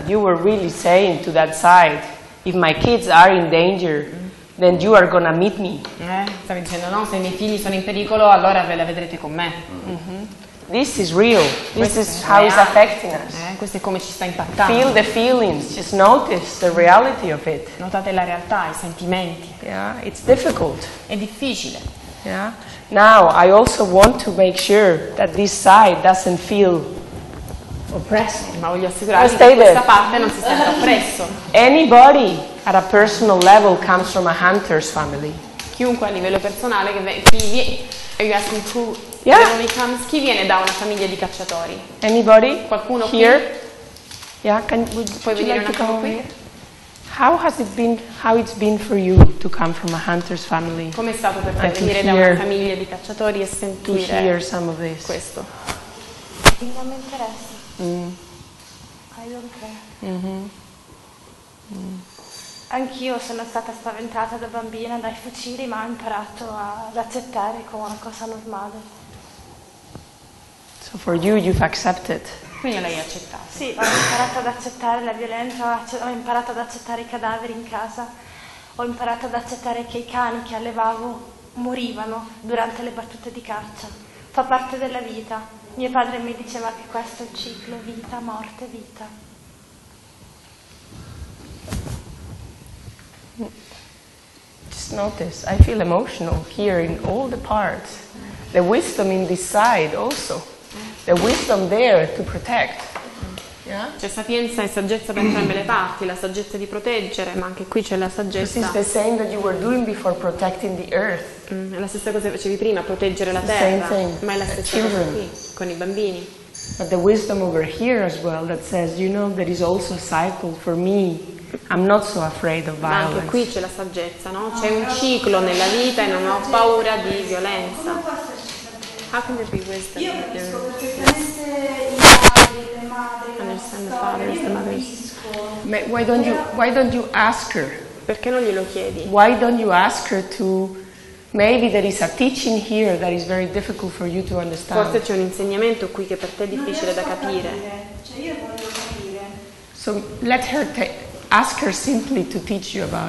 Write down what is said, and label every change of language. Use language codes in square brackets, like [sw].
[en] You were really saying to that side, if my kids are in danger, then you are gonna meet me. [it] Stavi dicendo, no, se i miei figli sono in pericolo, allora ve la vedrete con me. [en] This is real. This is how it's affecting us. [it] Questo è come ci sta impattando. [en] Feel the feelings. Just notice the reality of it. [it] Notate la realtà, i sentimenti. [en] Yeah, it's difficult. [it] È difficile. [en] Yeah. Now I also want to make sure that this side doesn't feel oppressed. [it] Ma voglio assicurarmi che questa parte non si senta oppresso. [en] Anybody at a personal level comes from a hunter's family. [it] Chiunque a livello personale chi viene da una famiglia di cacciatori? [en] Anybody? [it] Qualcuno [en] here? [it] Qui? [en] Yeah, [it] puoi venire like un attimo qui? [en] How has it been? How it's been for you to come from a hunter's family? [it] Come è stato per te venire da una famiglia di cacciatori e sentire [en] to hear some of this. [it] Questo? Non mi interessa. I don't care. Anch'io sono stata spaventata da bambina dai fucili, ma ho imparato ad accettare come una cosa normale. [en] So for you've accepted. [it] Quindi l'hai accettato. Sì, ho imparato ad accettare la violenza, ho imparato ad accettare i cadaveri in casa, ho imparato ad accettare che i cani che allevavo morivano durante le battute di caccia. Fa parte della vita. Mio padre mi diceva che questo è il ciclo, vita, morte, vita. [en] Just notice, I feel emotional here in all the parts. The wisdom in this side also. The wisdom there to protect. Yeah? [it] C'è sapienza e saggezza da entrambe le parti, la saggezza di proteggere, ma anche qui c'è la saggezza. [en] This is the same that you were doing before protecting the earth. [it] È la stessa cosa che facevi prima, proteggere la terra. [en] Same thing. [it] Ma è la stessa cosa qui, con i bambini. [en] But the wisdom over here as well that says, you know, there is also a cycle for me. I'm not so afraid of violence. [it] Ma anche qui c'è la saggezza, no? C'è un ciclo nella vita e non ho paura di violenza. [en] How can there be wisdom? [it] Io capisco perfettamente i padri, le madri, la storia, io [en] capisco. Why don't you ask her? [it] Perché non glielo chiedi? [en] Why don't you ask her to... Maybe there is a teaching here that is very difficult for you to understand. [it] Forse c'è un insegnamento qui che per te è difficile da capire. Cioè io voglio... [en] So let her ask her simply to teach you about